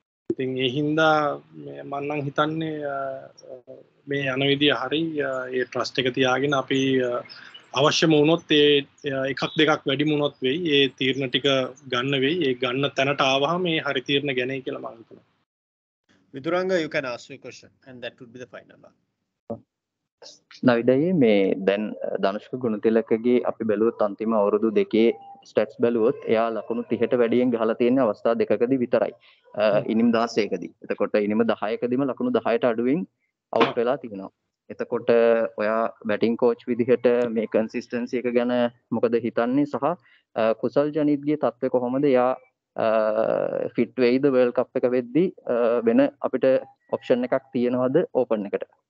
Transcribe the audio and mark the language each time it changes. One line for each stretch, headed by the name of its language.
Sinhala: ඉතින් ඒ හින්දා මං නම් හිතන්නේ මේ යන විදිය හරි ඒ ට්‍රස්ට් එක තියාගෙන අපි අවශ්‍යම වුණොත් ඒ එකක් දෙකක් වැඩිම වුණොත් වෙයි ඒ තීරණ ටික ගන්න වෙයි. ඒ ගන්න තැනට ආවහම මේ හරි තීරණ ගැනයි කියලා මං හිතනවා.
English: Vidurangga, you can ask me a question and that would be the final one.
Sinhala: නවිදයි මේ දැන් ධනුෂ්ක ගුණතිලකගේ අපි බැලුවොත් අන්තිම අවුරුදු දෙකේ ස්ටැට්ස් බැලුවොත් එයා ලකුණු 30ට වැඩියෙන් ගහලා තියෙන අවස්ථා දෙකකදී විතරයි. ඉනිම 16කදී. එතකොට ඉනිම 10කදීම ලකුණු 10ට අඩුවෙන් අවුට් වෙලා තිබෙනවා. එතකොට ඔයා බැටින් කෝච් විදිහට මේ කන්සිස්ටන්සි එක ගැන මොකද හිතන්නේ සහ කුසල් ජනිත්ගේ තත්ත්වය කොහොමද එයා ෆිට් වෙයිද වර්ල්ඩ් කප් එක වෙද්දී වෙන අපිට ඔප්ෂන් එකක් තියෙනවද ඕපන් එකට?